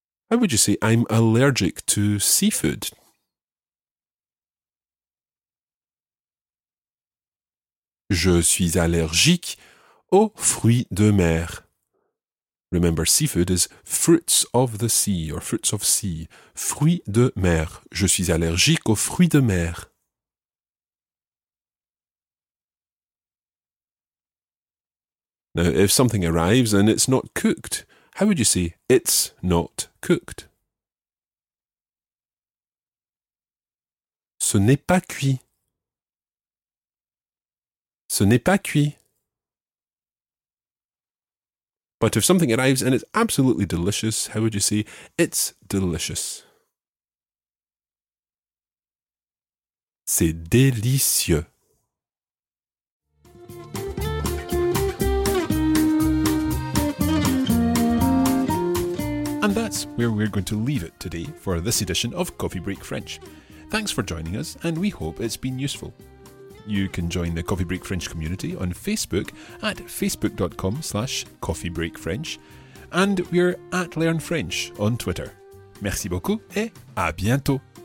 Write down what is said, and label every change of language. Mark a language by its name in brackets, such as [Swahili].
[English] How would you say I'm allergic to seafood? [French] Je suis allergique aux fruits de mer. [English] Remember, seafood is fruits of the sea or fruits of sea. [French] Fruits de mer. Je suis allergique aux fruits de mer. [English] Now, if something arrives and it's not cooked, how would you say it's not cooked? [French] Ce n'est pas cuit. Ce n'est pas cuit. [English] But if something arrives and it's absolutely delicious, how would you say it's delicious? [French] C'est délicieux. [English] And that's where we're going to leave it today for this edition of Coffee Break French. Thanks for joining us, and we hope it's been useful. You can join the Coffee Break French community on Facebook at facebook.com/coffeebreakfrench, and we're at Learn French on Twitter. [French] Merci beaucoup et à bientôt!